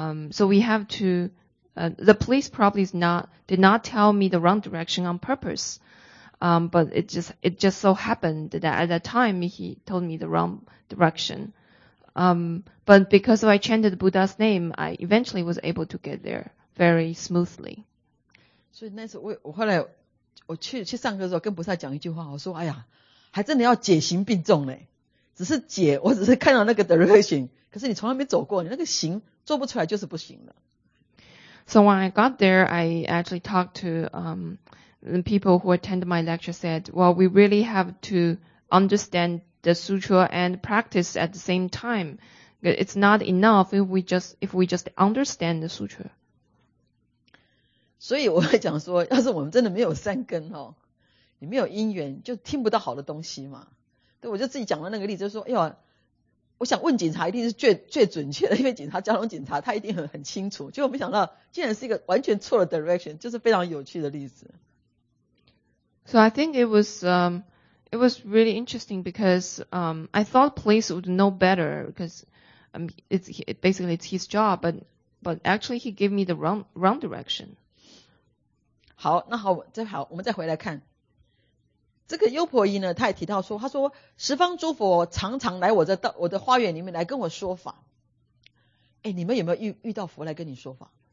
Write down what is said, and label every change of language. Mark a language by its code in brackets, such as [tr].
[en] So we have to, the police probably did not tell me the wrong direction on purpose. But it just so happened that at that time he told me the wrong direction. But because I chanted Buddha's name, I eventually was able to get there very smoothly. [zh] 所以那次我后来我去上课的时候跟菩萨讲一句话，我说哎呀，还真的要解行并重呢。只是解，我只是看到那个 direction， 可是你从来没走过，你那个行做不出来就是不行了。 [en] So when I got there, I actually talked to people who attended my lecture said, well, we really have to understand. The sutra and practice at the same time. It's not enough if we just understand the sutra. [zh] 所以我会讲说，要是我们真的没有善根哦，你没有因缘，就听不到好的东西嘛。对，我就自己讲了那个例子，就说，哎呦，我想问警察一定是最准确的，因为警察交通警察他一定很清楚。结果没想到，竟然是一个完全错的 direction， 就是非常有趣的例子。 [en] So I think it was. It was really interesting because, I thought police would know better because, it's his job, but actually he gave me the wrong direction. [zh] 好，那好，再好，我们再回来看。这个优婆夷呢，他也提到说，他说十方诸佛常常来我的花园里面来跟我说法。哎，你们有没有遇到佛来跟你说法？